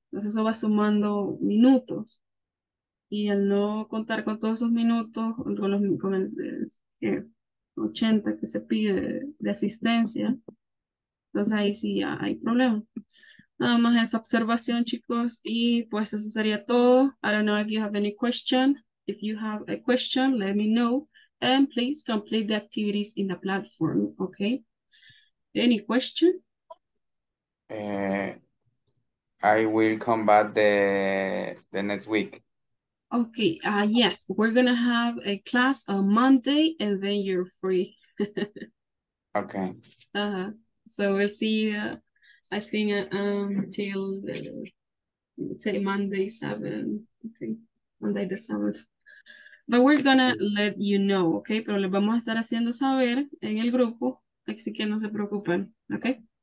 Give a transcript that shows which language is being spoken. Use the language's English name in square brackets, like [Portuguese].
[Spanish] Entonces eso va sumando minutos. Y al no contar con todos esos minutos, con el 80 que se pide de asistencia, entonces ahí sí ya hay problema. Nada más esa observación, chicos. Y pues eso sería todo. [English] I don't know if you have any question. If you have a question, let me know. And please complete the activities in the platform, okay? Any question? I will come back the next week. Okay, yes. We're going to have a class on Monday and then you're free. Okay. Uh-huh. So we'll see, I think, till say Monday 7th, okay, Monday the 7th. But we're gonna let you know, okay? [Spanish] Pero les vamos a estar haciendo saber en el grupo, así que no se preocupen, okay?